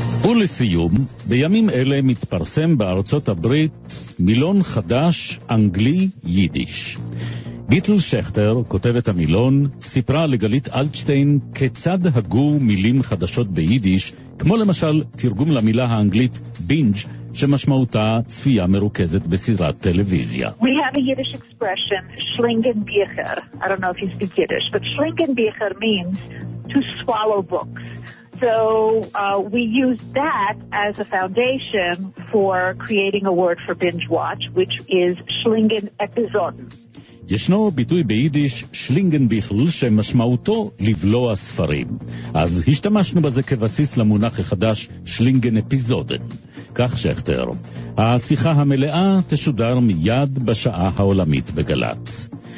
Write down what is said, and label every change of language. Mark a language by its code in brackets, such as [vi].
[he] ולסיום, בימים אלה מתפרסם בארצות הברית מילון חדש אנגלי יידיש. גיטל שכטר, כותבת המילון, סיפרה לגלית אלטשטיין כיצד הגו מילים חדשות ביידיש, כמו למשל תרגום למילה האנגלית בינג' שמשמעותה צפייה מרוכזת בסדרת טלוויזיה. [en] We have a Yiddish expression, schlingenbecher. I don't know if you speak Yiddish, but schlingenbecher means to swallow books. So we use that as a foundation for creating a word for binge watch, which is schlingenepisoden. [he] ישנו ביטוי ביידיש שלינגן ביכל שמשמעותו לבלוע ספרים. אז השתמשנו בזה כבסיס למונח החדש שלינגן אפיזודן. כך שכתר, השיחה המלאה תשודר מיד בשעה העולמית בגלץ.